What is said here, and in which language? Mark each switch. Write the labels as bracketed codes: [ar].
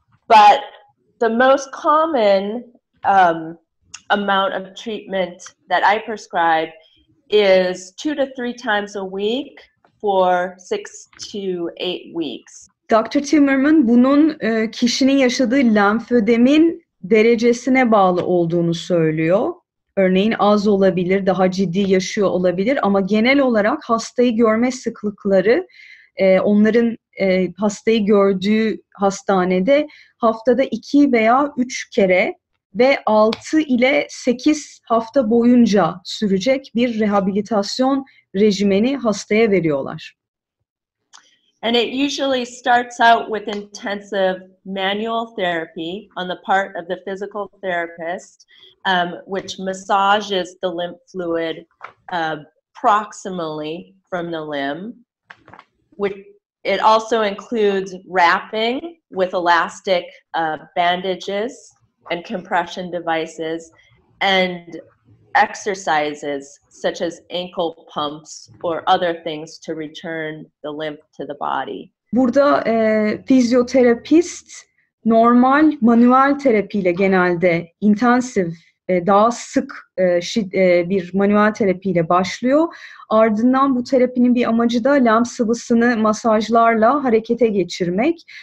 [en] But the most common amount of treatment that I prescribe is 2 to 3 times a week for 6 to 8 weeks. [tr] Dr. Timmerman, bunun kişinin yaşadığı lenfödemin derecesine bağlı olduğunu söylüyor. Örneğin az olabilir, daha ciddi yaşıyor olabilir ama genel olarak hastayı görme sıklıkları onların hastayı gördüğü hastanede haftada 2 veya 3 kere ve 6 ile 8 hafta boyunca sürecek bir rehabilitasyon rejimini hastaya veriyorlar. [en] And it usually starts out with intensive manual therapy on the part of the physical therapist, which massages the lymph fluid proximally from the limb. Which it also includes wrapping with elastic bandages and compression devices and exercises such as ankle pumps or other things to return the lymph to the body. [tr] Burada fizyoterapist normal manuel terapiyle genelde intensive daha sık bir manuel terapiyle başlıyor. Ardından bu terapinin bir amacı da lenf sıvısını masajlarla harekete geçirmek.